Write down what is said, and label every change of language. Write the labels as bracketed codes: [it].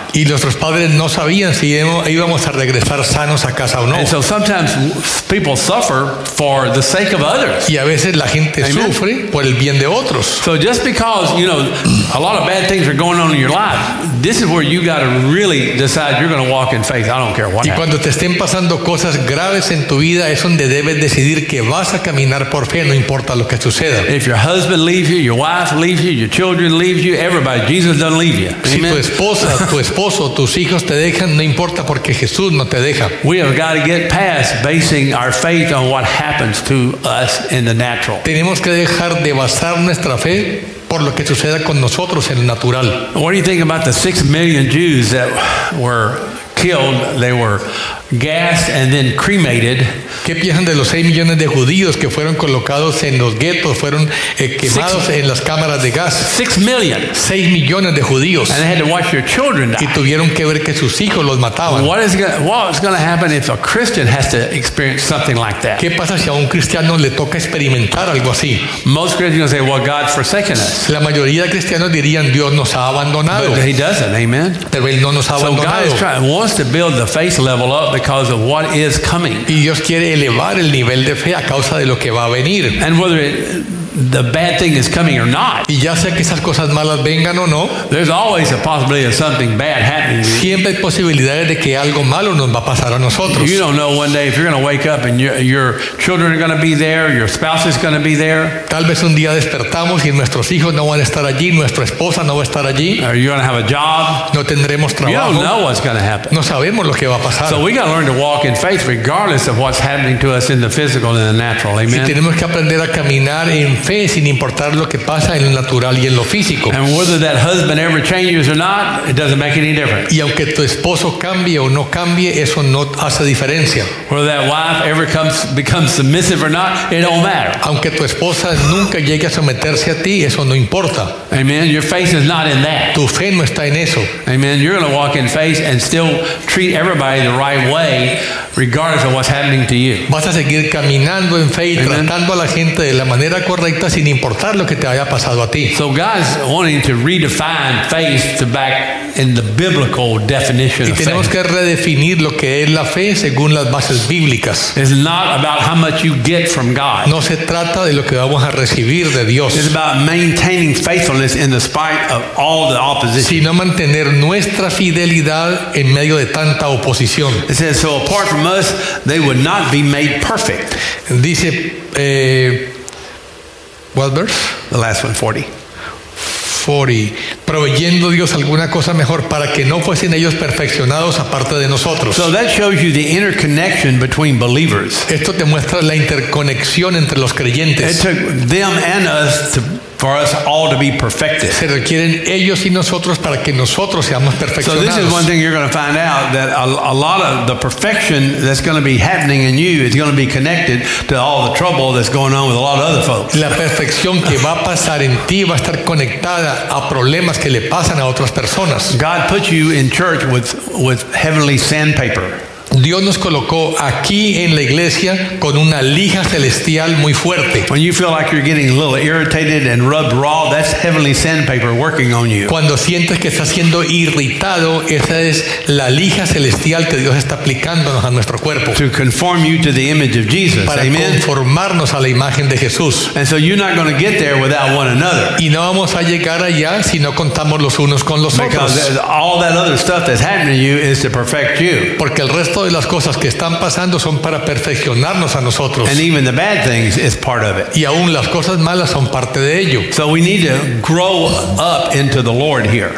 [es] Y nuestros padres no sabían si íbamos a regresar sanos a casa o no. [en] And so sometimes people suffer for the sake of others. [es] Y a veces la gente Amen. Sufre por el bien de otros. [en] So just because, you know, a lot of bad things are going on in your life, this is where you got to really decide you're going to walk in faith. I don't care what [es] Y cuando [en] happens. [es] Te estén pasando cosas graves en tu vida, es donde debes decidir que vas a caminar por fe, no importa lo que suceda. [en] If your husband leaves you, your wife leaves you, your children leave you, everybody, Jesus doesn't leave you. [es] Si Amen. Tu esposa, tu esposo, tus hijos te dejan, no importa porque Jesús no te deja. [en] We have got to get past basing our faith on what happens to us in the natural. [es] Tenemos que dejar de basar nuestra fe por lo que suceda con nosotros en el natural. [en] What do you think about the 6 million Jews that were killed? They were gassed and then cremated. [es] ¿Qué piensan de los 6 millones de judíos que fueron colocados en los guetos, fueron quemados en las cámaras de gas? [en] 6 million. [es] 6 millones de judíos. [en] And they had to watch their children die. [es] Y tuvieron que ver que sus hijos los mataban. [en] What is going to happen if a Christian has to experience something like that? [es] ¿Qué pasa si a un cristiano le toca experimentar algo así? [en] Most Christians say, "Well, God's forsaken us." [es] La mayoría de cristianos dirían, Dios nos ha abandonado. [en] But he doesn't, amen. [es] Pero él no nos ha abandonado. [en] So God is trying, wants to build the faith level up because of what is coming. [es] Y Dios quiere elevar el nivel de fe a causa de lo que va a venir. [en] And whether the bad thing is coming or not. [es] Y ya sea que esas cosas malas vengan o no. [en] There's always a possibility of something bad happening. [es] Siempre hay posibilidades de que algo malo nos va a pasar a nosotros. [en] You don't know one day if you're going to wake up and your children are going to be there, your spouse is going to be there. [es] Tal vez un día despertamos y nuestros hijos no van a estar allí, nuestra esposa no va a estar allí. [en] Or you're going to have a job. [es] No tendremos trabajo. [en] You don't know what's going to happen. [es] No sabemos lo que va a pasar. [en] So we got to learn to walk in faith regardless of what's happening to us in the physical and the natural. Amen. [es] Y tenemos que aprender a caminar en fe sin importar lo que pasa en lo natural y en lo físico. [en] And whether that husband ever changes or not, it doesn't make any difference. [es] Y aunque tu esposo cambie o no cambie, eso no hace diferencia. [en] Whether that wife ever becomes submissive or not, it don't matter. [es] Aunque tu esposa nunca llegue a someterse a ti, eso no importa. [en] Amen. Your faith is not in that. [es] Tu fe no está en eso. [en] Amen. You're going to walk in faith and still treat everybody the right way regardless of what's happening to you. [es] Vas a seguir caminando en fe y Amen. Tratando a la gente de la manera correcta sin importar lo que te haya pasado a ti. [en] So God's wanting to redefine faith to back in the biblical definition of faith. [es] Y tenemos que redefinir lo que es la fe según las bases bíblicas. [en] It's not about how much you get from God. [es] No se trata de lo que vamos a recibir de Dios. [en] It's about maintaining faithfulness in the spite of all the opposition. [es] Sino mantener nuestra fidelidad en medio de tanta oposición. [en] It says, so apart from us, they would not be made perfect. Dice, what verse? The last one, 40. 40. [es] Proveyendo Dios alguna cosa mejor para que no fuesen ellos perfeccionados aparte de nosotros. [en] So that shows you the interconnection between believers. [es] Esto te muestra la interconexión entre los creyentes. [en] It took them and us to For us all to be perfected. [es] Se requieren ellos y nosotros para que nosotros seamos perfeccionados. [en] So this is one thing you're going to find out that a lot of the perfection that's going to be happening in you is going to be connected to all the trouble that's going on with a lot of other folks. [es] La perfección que va a pasar en ti va a estar conectada a problemas que le pasan a otras personas. [en] God put you in church with heavenly sandpaper. [es] Dios nos colocó aquí en la iglesia con una lija celestial muy fuerte. [en] When you feel like you're getting a little irritated and rubbed raw, that's heavenly sandpaper working on you. [es] Cuando sientes que estás siendo irritado, esa es la lija celestial que Dios está aplicándonos a nuestro cuerpo. [en] To conform you to the image of Jesus. [es] Para conformarnos a la imagen de Jesús. [en] And so you're not going to get there without one another. [es] Y no vamos a llegar allá si no contamos los unos con los otros. [en] Because all that other stuff that's happening to you is to perfect you. [es] Porque el resto de las cosas que están pasando son para perfeccionarnos a nosotros. [en] And even the bad things is part of it. [es] Y aún las cosas malas son parte de ello. [en] So we need to grow up into the Lord here.